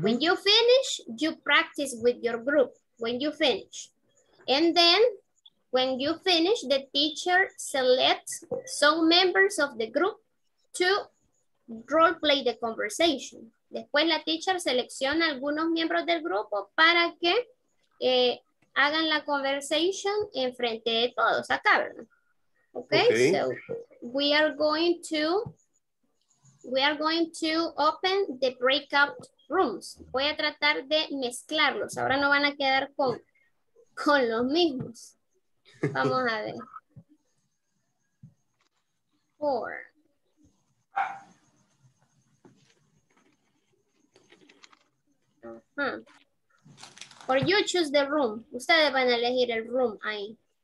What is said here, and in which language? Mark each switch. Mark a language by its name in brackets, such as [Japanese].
[English] When you finish, you practice with your group, when you finish. And then, when you finish, the teacher selects some members of the group to role play the conversation. [Spanish] Después la teacher selecciona algunos miembros del grupo para que hagan la conversation en frente de todos acá, ¿verdad? [English] Okay, so we are going to open the breakout rooms. [Spanish] Voy a tratar de mezclarlos. Ahora no van a quedar con los mismos. Vamos a ver. [English] Four. [Spanish] Hmm. [English] Or you choose the room. [Spanish] Ustedes van a elegir el room ahí.